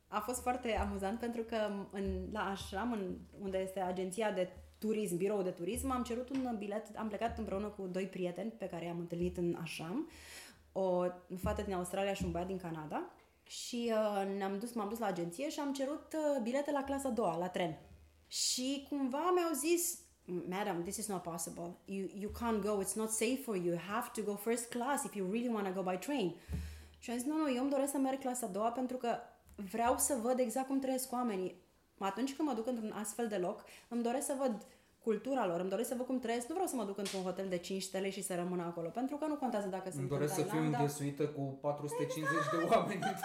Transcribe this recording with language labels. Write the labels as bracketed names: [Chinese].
[Romanian] A fost foarte amuzant pentru că la Ashram, unde este agenția de turism, biroul de turism, am cerut un bilet, am plecat împreună cu doi prieteni pe care i-am întâlnit în Ashram, o fată din Australia și un băiat din Canada, și m-am dus la agenție și am cerut bilete la clasa a doua, la tren. Și cumva mi-au zis, [English] madam, this is not possible, you can't go, it's not safe for you, you have to go first class if you really want to go by train. [Romanian] Și am zis, nu, eu îmi doresc să merg clasa a doua pentru că vreau să văd exact cum trăiesc oamenii. Atunci când mă duc într-un astfel de loc, îmi doresc să văd cultura lor, îmi doresc să văd cum trăiesc, nu vreau să mă duc într-un hotel de 5 stele și să rămân acolo, pentru că nu contează dacă sunt în Thailand. Îmi doresc să fiu înghesuită cu 450 de oameni.